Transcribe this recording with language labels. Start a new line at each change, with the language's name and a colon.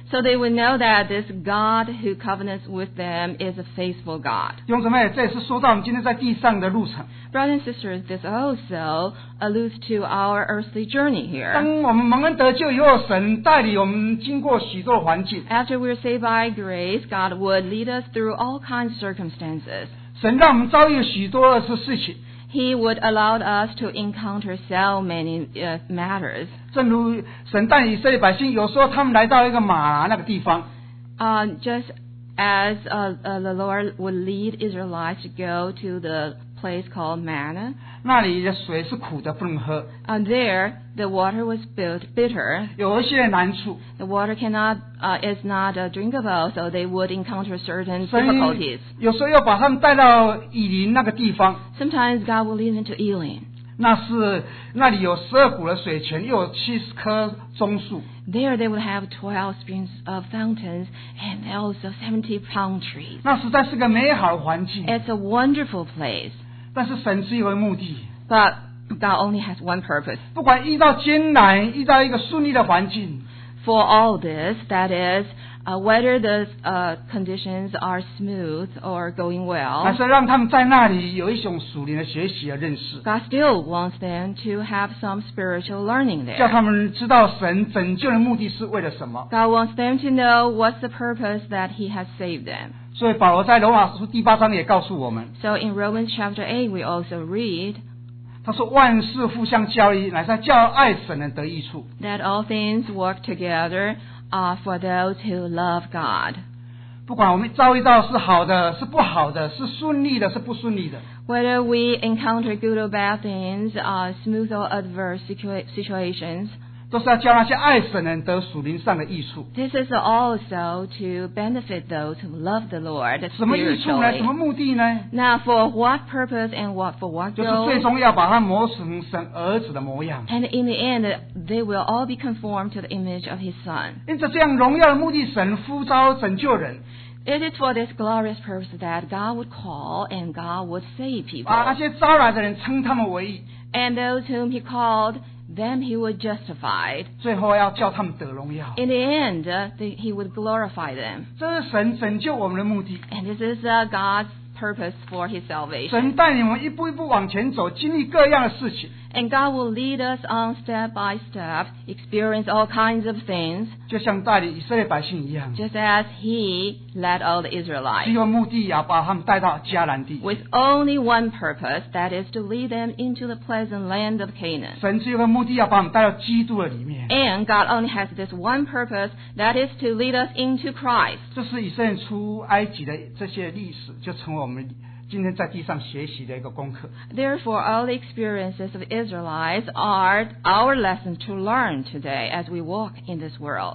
English: So they would know that this God who covenants with them is a faithful God.
Chinese: 弟兄姊妹，这也是说到我们今天在地上的路程。
English: Brothers and sisters, this also alludes to our earthly journey here.
Chinese: 当我们蒙恩得救以后，神带领我们经过许多环境。
English: After we are saved by grace, God would lead us through all kinds of circumstances.
Chinese: 神让我们遭遇许多的事情。
English: He would allow us to encounter so many matters.
Chinese: 正如神带以色列百姓，有时候他们来到一个马拿那个地方。
English: Just as the Lord would lead Israelites to go to the place called Manna.
Chinese: 那里的水是苦的，不能喝。
English: And there, the water was bitter.
Chinese: 有一些难处。
English: The water is not drinkable, so they would encounter certain difficulties.
Chinese: 有时候要把他们带到以琳那个地方。
English: Sometimes God will lead them to Elim.
Chinese: 那里有十二股的水泉，又有七十棵棕树。
English: There they would have 12 springs of fountains and also 70 palm trees.
Chinese: 那实在是个美好的环境。
English: It's a wonderful place.
Chinese: 但是神只有一个目的。
English: But God only has one purpose.
Chinese: 不管遇到艰难，遇到一个顺利的环境。
English: For all this, that is, whether the conditions are smooth or going well,
Chinese: 还是让他们在那里有一种属灵的学习和认识。
English: God still wants them to have some spiritual learning there.
Chinese: 叫他们知道神拯救的目的是为了什么。
English: God wants them to know what's the purpose that He has saved them.
Chinese: 所以保罗在罗马书第八章也告诉我们。
English: So in Romans chapter 8, we also read,
Chinese: 他说万事互相效力，乃是叫爱神人得益处。
English: That all things work together are for those who love God.
Chinese: 不管我们遭遇到是好的，是不好的，是顺利的，是不顺利的。
English: Whether we encounter good or bad things, smooth or adverse situations,
Chinese: 都是要叫那些爱神人得属灵上的益处。
English: This is also to benefit those who love the Lord.
Chinese: 什么益处呢？什么目的呢？
English: Now, for what purpose and what for what goal?
Chinese: 就是最终要把他磨成神儿子的模样。
English: And in the end, they will all be conformed to the image of his son.
Chinese: 因着这样荣耀的目的，神呼召拯救人。
English: It is for this glorious purpose that God would call and God would save people.
Chinese: 把那些招来的人称他们为义。
English: And those whom he called, them he would justify.
Chinese: 最后要叫他们得荣耀。
English: In the end, he would glorify them.
Chinese: 这是神拯救我们的目的。
English: And this is God's purpose for his salvation.
Chinese: 神带领我们一步一步往前走，经历各样的事情。
English: And God will lead us on step by step, experience all kinds of things,
Chinese: 就像带领以色列百姓一样。
English: Just as he led all the Israelites,
Chinese: 只有目的要把他们带到迦南地。
English: With only one purpose, that is to lead them into the pleasant land of Canaan.
Chinese: 神只有个目的要把我们带到基督的里面。
English: And God only has this one purpose, that is to lead us into Christ.
Chinese: 这是以色列出埃及的这些历史，就成为我们今天在地上学习的一个功课。
English: Therefore, all the experiences of Israelites are our lessons to learn today as we walk in this world.